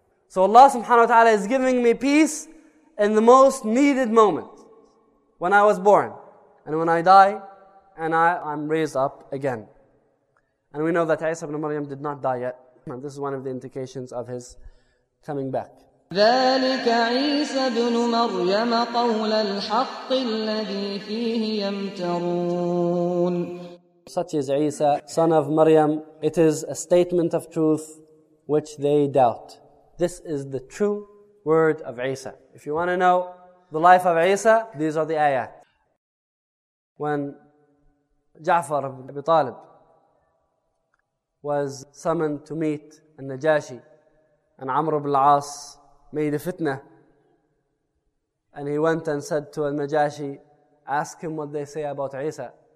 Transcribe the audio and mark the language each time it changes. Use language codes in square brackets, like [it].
[en] So Allah subhanahu wa ta'ala is giving me peace in the most needed moment, when I was born and when I die and I'm raised up again. And we know that Isa ibn Maryam did not die yet. And this is one of the indications of his coming back. [ar] ذلك عيسى بن مريم قول الحق الذي فيه يمترون. [en] Such is Isa, son of Maryam. It is a statement of truth which they doubt. This is the true word of Isa. If you want to know the life of Isa, these are the ayat. When Ja'far ibn Abi Talib was summoned to meet al-Najashi, and Amr ibn al-As made a fitna, and he went and said to al-Najashi, "Ask him what they say about Isa."